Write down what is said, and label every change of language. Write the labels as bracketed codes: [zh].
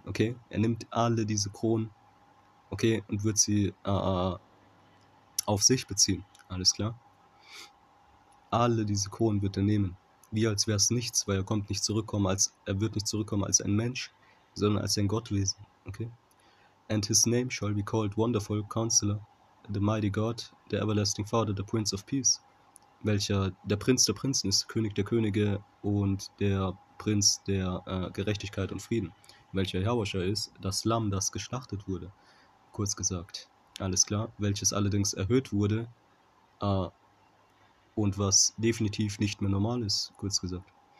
[de] Okay, er nimmt alle diese Kronen. Okay, und wird sie auf sich beziehen. Alles klar? Alle diese Kronen wird er nehmen. Wie als wäre es nichts, weil er wird nicht zurückkommen als ein Mensch, sondern als ein Gottwesen. Okay? [en] And his name shall be called Wonderful Counselor, the Mighty God, the Everlasting Father, the Prince of Peace. [de] Welcher der Prinz der Prinzen ist, König der Könige und der Prinz der Gerechtigkeit und Frieden. Welcher Jahwesh ist, das Lamm, das geschlachtet wurde. Kurz gesagt, alles klar, welches allerdings erhöht wurde und was definitiv nicht mehr normal ist, kurz gesagt.